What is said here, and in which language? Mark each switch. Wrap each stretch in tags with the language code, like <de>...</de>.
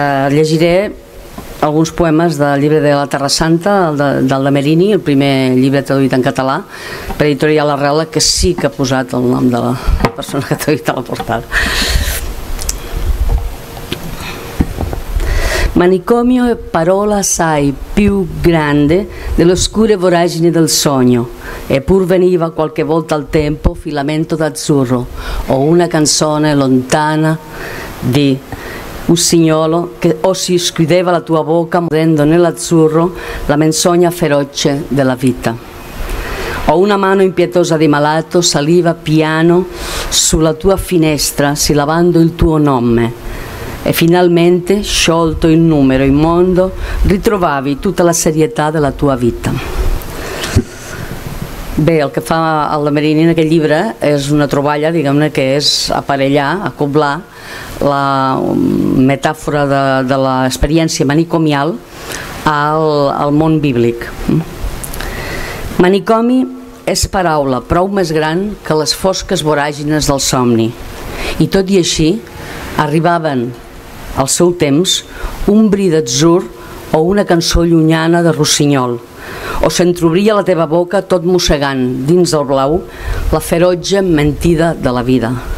<ca>Llegiré alguns poemes del llibre de la Terra Santa, del de Merini, el primer llibre traduït en català per Editorial Arrela, que sí que ha posat el nom de la persona que ha traduït a la portada.</ca> <it>Manicomio e parola sai più grande dell'oscura voragine del sogno, eppur veniva qualche volta al tempo filamento d'azzurro o una canzone lontana di Usignolo, che o si schiudeva la tua bocca mordendo nell'azzurro la menzogna feroce della vita. O una mano impietosa di malato saliva piano sulla tua finestra sillabando il tuo nome e finalmente, sciolto il numero immondo, ritrovavi tutta la serietà della tua vita.</it> <ca>Bé, el que fa el de Merini en aquest llibre és una troballa, diguem-ne, que és aparellar, acoblar la metàfora de l'experiència manicomial al món bíblic. Manicomi és paraula prou més gran que les fosques voràgines del somni, i tot i així arribaven al seu temps un bri d'atzur o una cançó llunyana de Rossinyol, o s'entreobria la teva boca tot mossegant dins del blau la ferotge mentida de la vida,</ca>